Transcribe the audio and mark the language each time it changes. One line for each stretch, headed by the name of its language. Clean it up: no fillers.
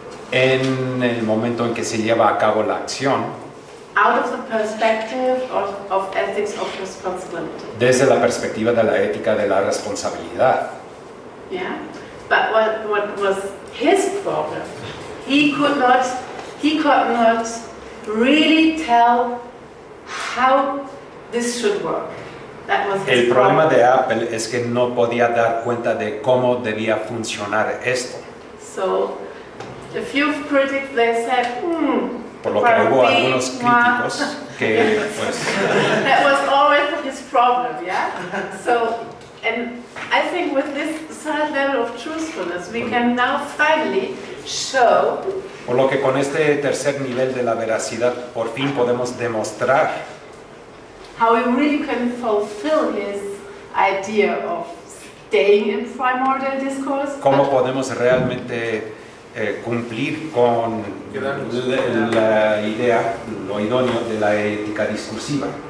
Spanish: en el momento en que se lleva a cabo la acción,
English: out of the perspective of ethics of responsibility,
Spanish: desde la perspectiva de la ética de la responsabilidad.
English: Yeah, but what was his problem? He could not really tell how this should work. That was his
Spanish: el problema de Apple es que no podía dar cuenta de cómo debía funcionar esto.
English: So, a few critics, they said,
Spanish: por lo que hubo algunos críticos que, pues...
English: That was always his problem, yeah? So, and I think with this third level of truthfulness, we can now finally show...
Spanish: Por lo que con este tercer nivel de la veracidad, por fin podemos demostrar...
English: How we really can fulfill his idea of staying in primordial discourse.
Spanish: Cómo podemos realmente... cumplir con la idea, lo idóneo de la ética discursiva.